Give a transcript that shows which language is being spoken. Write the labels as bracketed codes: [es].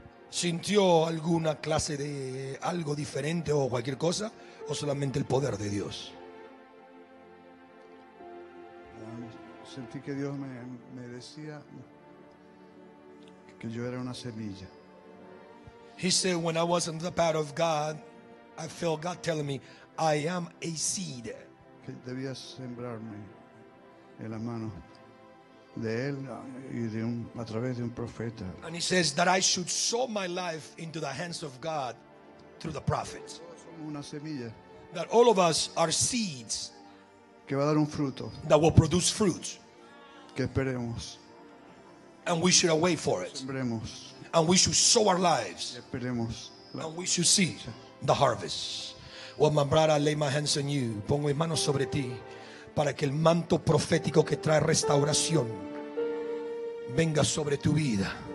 [es] ¿Sintió alguna clase de algo diferente o cualquier cosa? ¿O solamente el poder de Dios? Sentí que Dios me decía que yo era una semilla. [en] He said, when I was in the path of God, I felt God telling me, I am a seed. [es] Que debía sembrarme en la mano de él y de un, a través de un profeta. [en] And he says that I should sow my life into the hands of God through the prophets. [es] Somos una semilla. [en] That all of us are seeds. [es] Que va a dar un fruto. [en] That will produce fruit. [es] Que esperemos. [en] And we should wait for it. [es] Sembremos. [en] And we should sow our lives. [es] Que esperemos. [en] And we should see the harvest. Well, my brother, I lay my hands on you. [es] Pongo mis manos sobre ti. Para que el manto profético que trae restauración venga sobre tu vida.